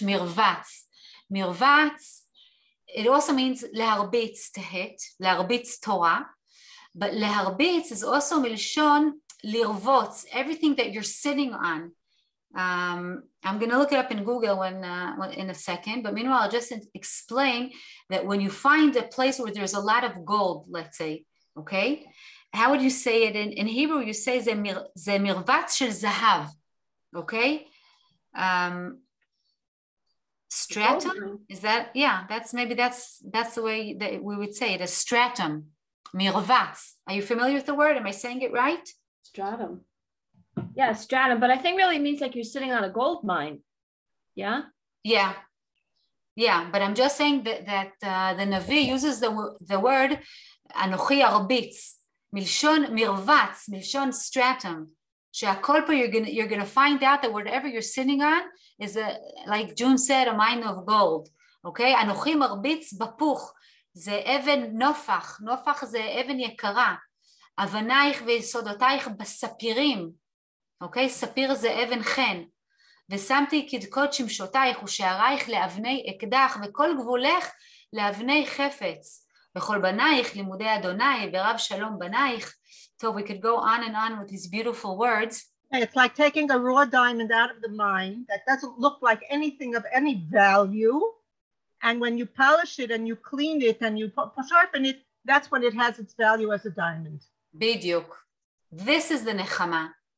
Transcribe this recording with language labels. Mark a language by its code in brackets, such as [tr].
[en] Mirvatz. Mirvatz. It also means להרביץ, to hit, [he] להרביץ תורה, [en] but להרביץ is also [he] מלשון לרבוץ, [en] everything that you're sitting on. I'm going to look it up in Google in a second, but meanwhile, I'll just explain that when you find a place where there's a lot of gold, let's say, okay? How would you say it in Hebrew? You say [he] זה מרבץ של זהב, okay? [en] Stratum, is that, yeah, that's maybe the way that we would say it, a stratum, mirvatz. Are you familiar with the word? Am I saying it right? Stratum. Yeah, stratum, but I think really it means like you're sitting on a gold mine, yeah? Yeah, yeah, but I'm just saying that the Navi uses the word anochi arbitz, milshon mirvatz, milshon stratum. [he] שהכל פה, [en] you're gonna find out that whatever you're sitting on is a, like June said, a mine of gold, okay? [he] אנוכי מרביץ בפוך, זה אבן נופח, נופח זה אבן יקרה, אבנייך ויסודותייך בספירים, אוקיי? ספיר זה אבן חן, ושמתי קדקות שמשותייך ושעריך לאבני אקדח, וכל גבולך לאבני חפץ, וכל בנייך לימודי אדוני ורב שלום בנייך, [en] So we could go on and on with these beautiful words. It's like taking a raw diamond out of the mine that doesn't look like anything of any value. And when you polish it and you clean it and you sharpen it, that's when it has its value as a diamond. Bidyuk. This is the nechama.